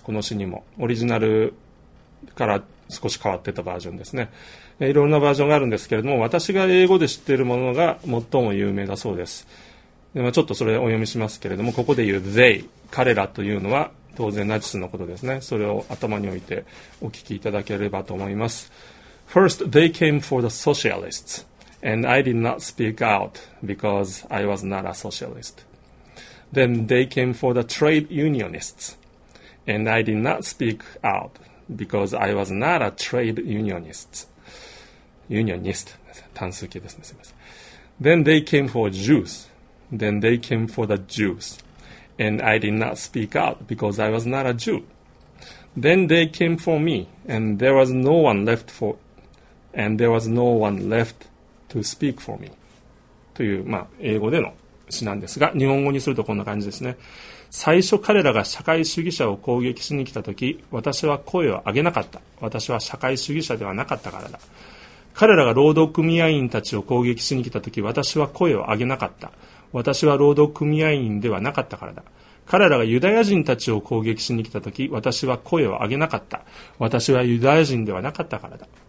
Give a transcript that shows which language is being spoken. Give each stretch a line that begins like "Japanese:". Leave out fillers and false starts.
Japanese: この詩にもオリジナルから少し変わってたバージョンですね、いろんなバージョンがあるんですけれども、私が英語で知っているものが最も有名だそうです。で、まあ、ちょっとそれをお読みしますけれども、ここで言う they 彼らというのは当然ナチスのことですね。それを頭に置いてお聞きいただければと思います。
English: First they came for the socialistsAnd I did not speak out because I was not a socialist. Then they came for the trade unionists. And I did not speak out because I was not a trade unionist. Unionist.
Japanese: 単数形ですね。すみません。
English: Then they came for Jews. Then they came for the Jews. And I did not speak out because I was not a Jew. Then they came for me. And there was no one left for, and there was no one leftTo speak for me
Japanese: という、まあ、英語での詩なんですが、日本語にするとこんな感じですね。最初彼らが社会主義者を攻撃しに来た時、私は声を上げなかった。私は社会主義者ではなかったからだ。彼らが労働組合員たちを攻撃しに来た時、私は声を上げなかった。私は労働組合員ではなかったからだ。彼らがユダヤ人たちを攻撃しに来た時、私は声を上げなかった。私はユダヤ人ではなかったからだ。